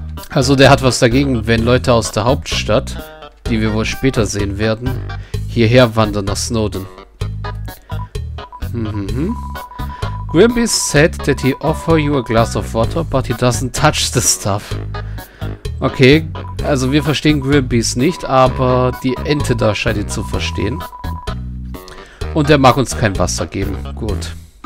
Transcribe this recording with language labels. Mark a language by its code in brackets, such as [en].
[de] Also der hat was dagegen, wenn Leute aus der Hauptstadt, die wir wohl später sehen werden, hierher wandern nach Snowden. [en] Grimby said that he offer you a glass of water, but he doesn't touch the stuff. [de] Okay, also wir verstehen Grimbys nicht, aber die Ente da scheint ihn zu verstehen. Und er mag uns kein Wasser geben. Gut.